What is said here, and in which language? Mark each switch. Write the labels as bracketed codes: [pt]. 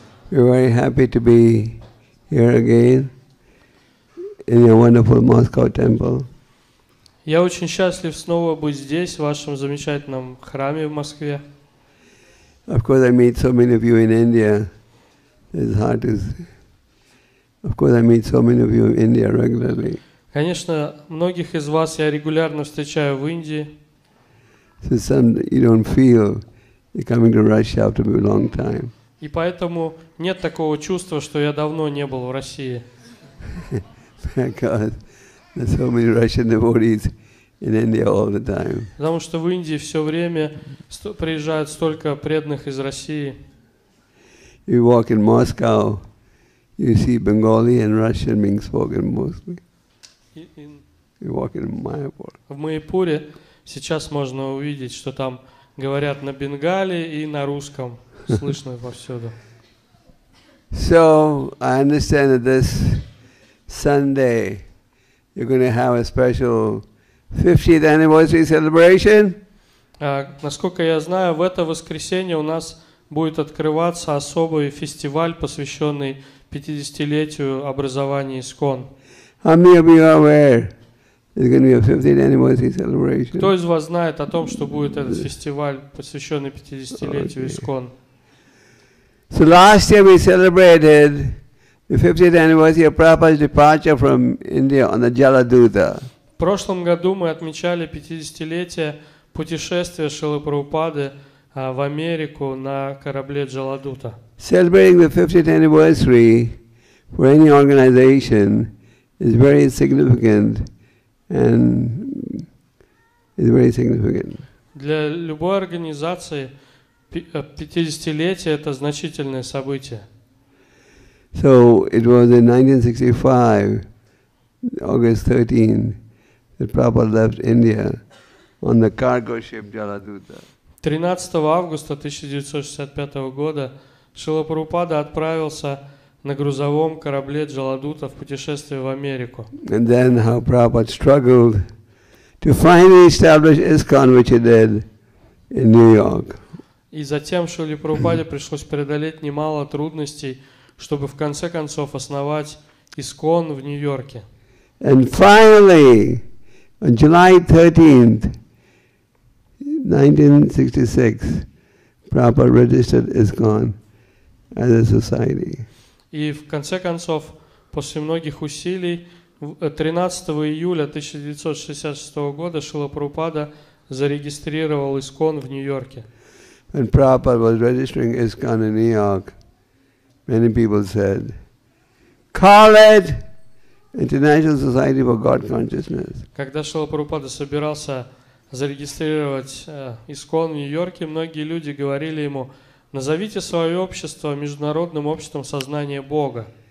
[en] We're very happy to be here again in your wonderful Moscow temple. [ru] Я очень счастлив снова быть здесь, в вашем замечательном храме в Москве. [en] Of course, I meet so many of you in India. It's hard to. Of course, I meet so many of you in India regularly. [ru] Конечно, многих из вас я регулярно встречаю в Индии. [en] So some you don't feel you're coming to Russia after a long time. [ru] И поэтому нет такого чувства, что я давно не был в России. [en] Because there's so many Russian devotees in India all the time. [ru] Потому что в Индии все время приезжают столько преданных из России. [en] You walk in Moscow, you see Bengali and Russian being spoken mostly. [ru] В Майяпуре сейчас можно увидеть, что там говорят на бенгали и на русском, слышно повсюду. [en] So I understand that this Sunday, you're going to have a special 50th anniversary celebration. [ru] Насколько я знаю, в это воскресенье у нас будет открываться особый фестиваль, посвященный 50-летию образования ИСКОН. [en] How many of you are aware? It's going to be a 50th anniversary celebration. [ru] Кто из вас знает о том, что будет этот фестиваль, посвященный 50-летию ИСКОН? [en] So last year we celebrated the 50th anniversary of Prabhupada's departure from India on the Jaladuta. [ru] В прошлом году мы отмечали 50-летие путешествия Шрилы Прабхупады в Америку на корабле Джаладута. [en] Celebrating the 50th anniversary for any organization is very significant. And it's very significant. [ru] Для любой организации 50-летие – это значительное событие. [en] So it was in 1965, August 13, that Prabhupada left India on the cargo ship Jaladuta. [ru] 13 августа 1965 года Шрила Прабхупада отправился на грузовом корабле Джаладута в путешествие в Америку. [en] And then how Prabhupada struggled to finally establish ISKCON, which he did in New York. [ru] И затем Шриле Прабхупаде пришлось преодолеть немало трудностей, чтобы в конце концов основать ИСКОН в Нью-Йорке. [en] And finally, on July 13, 1966, Prabhupada registered ISKCON as a society. [ru] И в конце концов, после многих усилий, 13 июля 1966 года Шрила Прабхупада зарегистрировал ИСКОН в Нью-Йорке. [en] When Prabhupada was registering ISKCON in New York, many people said, "Call it International Society for God Consciousness." [ru] Когда Шрила Прабхупада собирался зарегистрировать ИСКОН в Нью-Йорке, многие люди говорили ему: назовите свое общество Международным обществом сознания Бога.